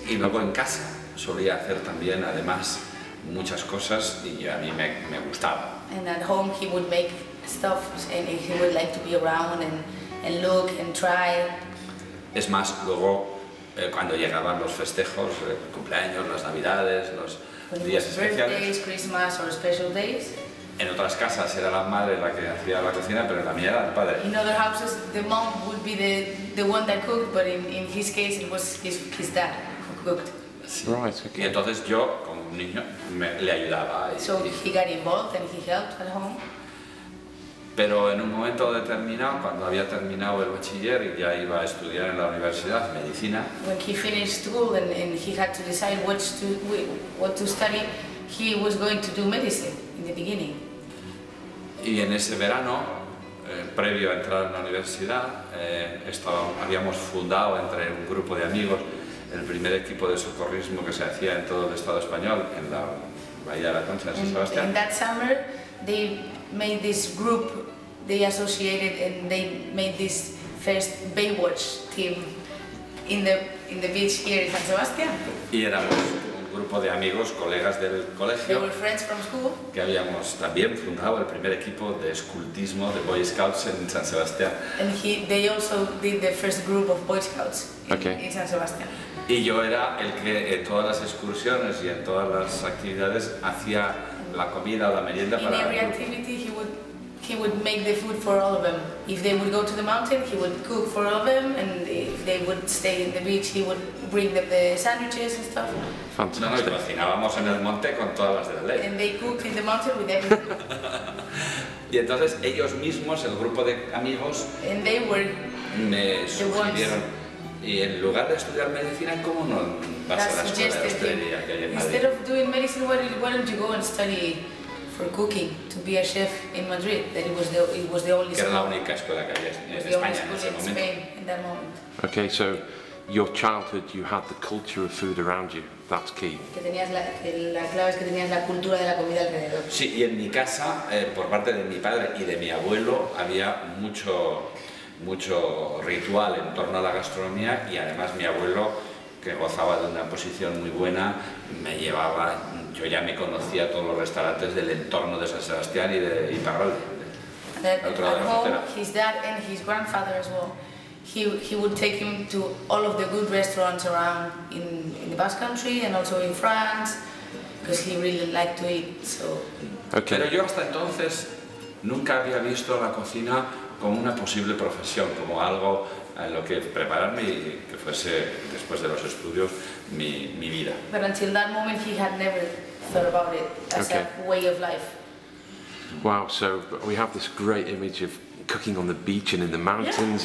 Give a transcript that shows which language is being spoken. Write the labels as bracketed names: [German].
[Spanish] Y luego en casa solía hacer también además muchas cosas y a mí me gustaba. [English] And at home he would make stuff and he would like to be around and look and try. [Spanish] Es más, luego cuando llegaban los festejos, cumpleaños, las navidades, los días especiales, [English] Christmas or special days. [Spanish] En otras casas era la madre la que hacía la cocina, pero la mía era el padre. [English] In other houses the mom would be the one that cooked, but in his case it was his dad who cooked. [Spanish] Sí. [English] Right, okay. [Spanish] Y entonces yo como un niño le ayudaba. [English] He got involved and he helped at home. [Spanish] Pero en un momento determinado, cuando había terminado el bachiller y ya iba a estudiar en la universidad medicina, [English] when he finished school and he had to decide what to study, he was going to do medicine in the beginning. [Spanish] Y en ese verano, previo a entrar en la universidad, habíamos fundado entre un grupo de amigos el primer equipo de socorrismo que se hacía en todo el Estado español en la Bahía de la Concha, en San Sebastián. [English] In that summer, they made this group, they associated and they made this first Baywatch team in the beach here in San Sebastián. [Spanish] Y éramos un grupo de amigos, colegas del colegio. [English] They were friends from school. [Spanish] Que habíamos también fundado el primer equipo de escultismo de Boy Scouts en San Sebastián. [English] And they also did the first group of Boy Scouts in San Sebastián. [Spanish] Y yo era el que en todas las excursiones y en todas las actividades hacía la comida o la merienda para [English] in every activity he would make the food for all of them. If they would go to the mountain, he would cook for all of them, and if they would stay in the beach, he would bring them the sandwiches and stuff. [Spanish] Cocinábamos en el monte con todas las de la ley. [English] And they cooked in the mountain with everything. [Spanish] Y entonces ellos mismos, el grupo de amigos, [English] and they were [Spanish] me sugirieron, y en lugar de estudiar medicina, ¿cómo no vas a la escuela de hostelería que hay en Madrid? [English] Instead of doing medicine, why don't you go and study for cooking to be a chef in Madrid? That it was the only school. [Spanish] Que era la única escuela que había en España [English] in that moment. Okay, so your childhood, you had the culture of food around you. That's key. [Spanish] Que tenías la clave es que tenías la cultura de la comida alrededor. Sí, y en mi casa, por parte de mi padre y de mi abuelo, había mucho ritual en torno a la gastronomía y además mi abuelo, que gozaba de una posición muy buena, me llevaba, yo ya me conocía todos los restaurantes del entorno de San Sebastián y de Iparralde. [English] At home, his dad and his grandfather as well, he would take him to all of the good restaurants around in the Basque Country and also in France, because he really liked to eat. So. Okay. [Spanish] Pero yo hasta entonces nunca había visto la cocina como una posible profesión, como algo en lo que prepararme y que fuese después de los estudios mi vida. [English] But until that moment, he had never thought about it as okay. a way of life. Wow. So we have this great image of cooking on the beach and in the mountains,